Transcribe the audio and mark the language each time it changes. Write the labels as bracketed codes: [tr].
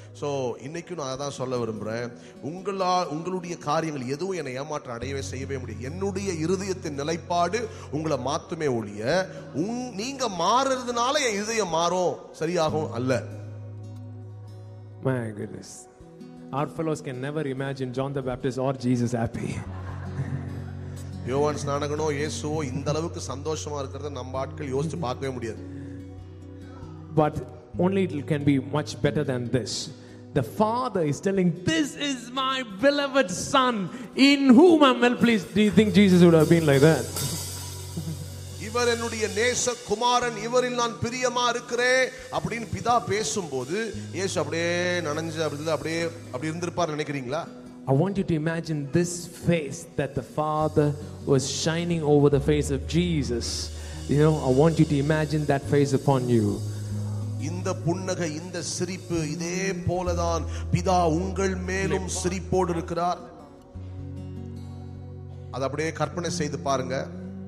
[ta] So இன்னைக்கும் நான் அதான் சொல்ல விரும்புகிறேன், உங்களுடைய காரியங்கள் எதுவும் என்னை ஏமாற்றம் அடையவே செய்யவே முடியாது. என்னுடைய இருதயத்தின் நிலைப்பாடு உங்களை மாத்துமே ஒழிய நீங்க மாறுறதுனால என் இதயம் மாறும் சரியாகும் அல்ல. [en] My goodness. Our fellows can never imagine John the Baptist or Jesus happy. [ta] யோவான் ஸ்நானகனோ இயேசுவோ இந்த அளவுக்கு சந்தோஷமா இருக்கறத நம்ம ஆட்கள் யோசிச்சு பார்க்கவே முடியாது. [en] But only it can be much better than this. The Father is telling, this is my beloved son in whom I'm well pleased. Do you think Jesus would have been like that? [ta] இவர் என்னுடைய நேச குமாரன், இவரில் நான் பிரியமா இருக்கிறேன் அப்படின்னு பிதா பேசும்போது இயேசு அப்படியே நனஞ்சு அப்படியே அப்படி இருந்திருப்பார் நினைக்கிறீங்களா? [en] I want you to imagine this face that the Father was shining over the face of Jesus. You know, I want you to imagine that face upon you. [ta] இந்த புன்னகை, இந்த சிரிப்பு, இதே போலதான் பிதா உங்கள் மேலும் சிரிப்போடு இருக்கிறார். அதை அப்படியே கற்பனை செய்து பாருங்க.